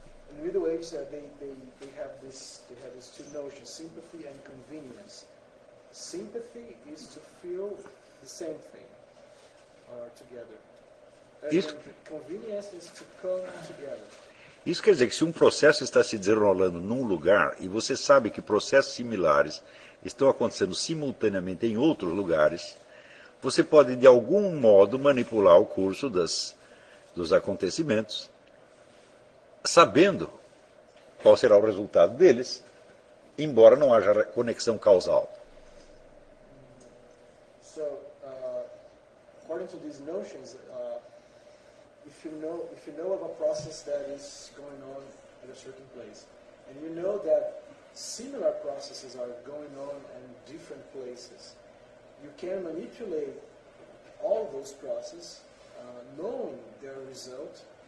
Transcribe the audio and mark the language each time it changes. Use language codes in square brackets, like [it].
[en] In the Middle Ages, they have these two notions, sympathy and convenience. Sympathy is to feel the same thing, or together. [pt] Isso, [en] convenience is to come together. [pt] Isso quer dizer que se um processo está se desenrolando num lugar e você sabe que processos similares estão acontecendo simultaneamente em outros lugares, você pode, de algum modo, manipular o curso dos acontecimentos, sabendo qual será o resultado deles, embora não haja conexão causal. [en] So, according to these notions, if you know of a process that is going on at a certain place, and you know that similar processes are going on in different places, you can manipulate all those processes, knowing their result.